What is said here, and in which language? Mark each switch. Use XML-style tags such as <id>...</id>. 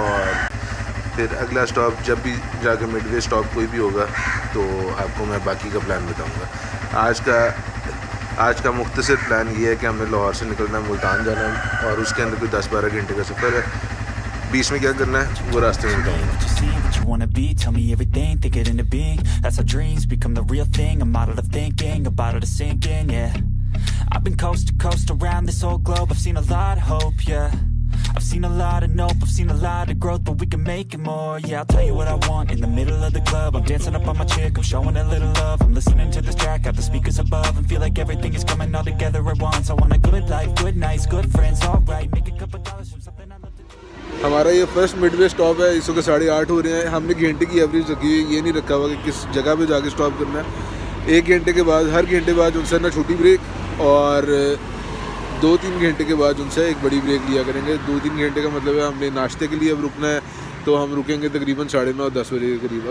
<hi>और फिर अगला स्टॉप जब भी जाकर मिडवे स्टॉप कोई भी होगा तो आपको मैं बाकी का प्लान बताऊँगा। आज का मुख्तसर प्लान ये है कि हमें लाहौर से निकलना है, मुल्तान जाना है, और उसके अंदर कोई 10-12 घंटे का सफ़र है। बीच में क्या करना है वो रास्ते में बताऊँगा।</hi> <en>Wanna be, tell me everything, think it into being. That's how dreams become the real thing. A model of thinking, a bottle to sink in, yeah. I've been coast to coast around this whole globe. I've seen a lot of hope, yeah. I've seen a lot of nope, I've seen a lot of growth, but we can make it more. Yeah, I'll tell you what I want in the middle of the club. I'm dancing up on my chick, I'm showing a little love. I'm listening to this track, got the speakers above, and feel like everything is coming all together at once. I want a good life, good nights, good friends, alright. Make a cup of dollars from something I love.</en> <hi>हमारा ये first Midway stop है, इस वक्त 8:30 हो रहे हैं। हमने घंटे की एवरेज रखी हुई, ये नहीं रखा हुआ कि किस जगह पे जाके स्टॉप करना है। एक घंटे के बाद, हर घंटे बाद उनसे ना छोटी ब्रेक, और 2-3 घंटे के बाद उनसे एक बड़ी ब्रेक लिया करेंगे। 2-3 घंटे का मतलब है हमने नाश्ते के लिए अब रुकना है, तो हम रुकेंगे तकरीबन 9:30-10 बजे के करीब।</hi>